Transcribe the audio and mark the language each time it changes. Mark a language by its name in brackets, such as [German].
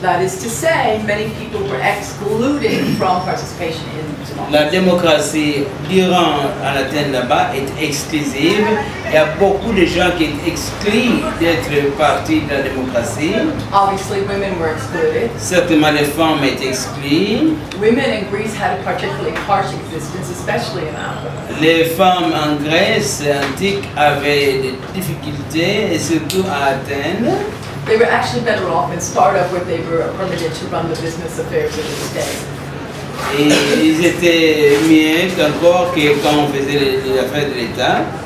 [English] That is to say, many people were excluded from participation in democracy. [French] La démocratie durant à l'Athènes là-bas est exclusive. Il y a beaucoup de gens qui sont exclus d'être partie de la démocratie. [English] Obviously, women were excluded. [French] Certainement, les femmes étaient exclues. [English] Women in Greece had a particularly harsh existence, especially in Athens. [French] Les femmes en Grèce antique avaient des difficultés, et surtout à Athènes. [English] They were actually better off in Sparta, where they were permitted to run the business affairs of the state. [French] Et ils étaient mieux encore que quand on faisait les affaires de l'État.